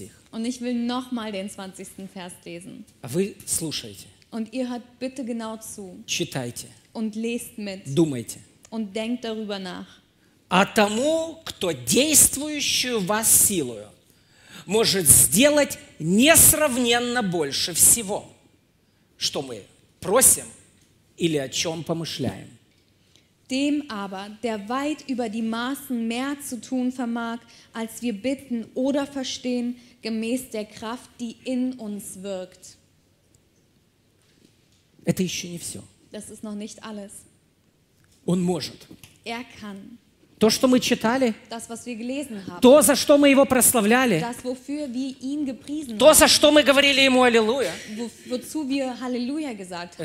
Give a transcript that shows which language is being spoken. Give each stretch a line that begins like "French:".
German: Und ich will nochmal den 20. Vers lesen. Und ihr hört bitte genau zu.
Russian: Читайте.
German: Und lest mit.
Russian: Думайте.
German: Und denkt darüber nach.
Russian: А тому, кто действующую вас силою, может сделать несравненно больше всего, что мы просим или о чем помышляем.
German: Dem aber, der weit über die Maßen mehr zu tun vermag, als wir bitten oder verstehen, gemäß der Kraft, die in uns wirkt.
Russian: Это еще не все.
German: Das ist noch nicht alles.
Russian: Он может.
German: Er kann.
Russian: То, что мы читали,
German: das, was wir gelesen haben.
Russian: То, за что мы его прославляли,
German: das, wofür wir ihn gepriesen
Russian: то, за что мы говорили ему Аллилуйя,
German: wozu wir Halleluja gesagt haben.